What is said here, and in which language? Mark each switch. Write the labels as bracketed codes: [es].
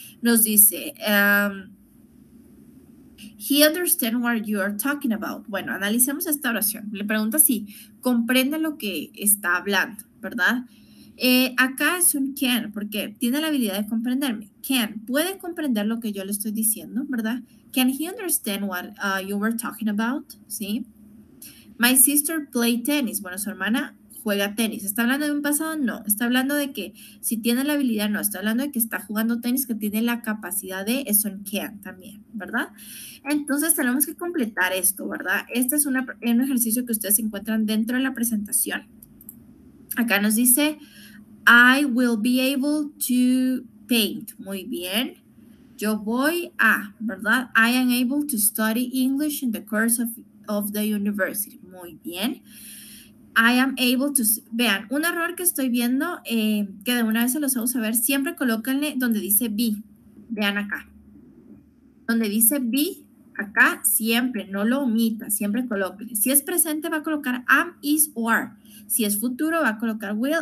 [es] Nos dice, [en] he understands what you are talking about. [es] Bueno, analicemos esta oración. Le pregunta si comprende lo que está hablando, ¿verdad? Acá es un can, porque tiene la habilidad de comprenderme. Can, ¿puede comprender lo que yo le estoy diciendo, verdad? [en] Can he understand what you were talking about? [es] ¿Sí? [en] My sister play tennis. [es] Bueno, su hermana juega tenis. ¿Está hablando de un pasado? No. ¿Está hablando de que si tiene la habilidad? No. Está hablando de que está jugando tenis, que tiene la capacidad de, es un can también, ¿verdad? Entonces, tenemos que completar esto, ¿verdad? Este es un ejercicio que ustedes encuentran dentro de la presentación. Acá nos dice, [en] I will be able to paint. [es] Muy bien. Yo voy a, ¿verdad? [en] I am able to study English in the course of the university. [es] Muy bien. [en] I am able to, [es] vean, un error que estoy viendo, que de una vez se los vamos a ver, siempre colóquenle donde dice be. Vean acá. Donde dice be, acá siempre, no lo omita, siempre colóquenle. Si es presente va a colocar am, is o are. Si es futuro, va a colocar will.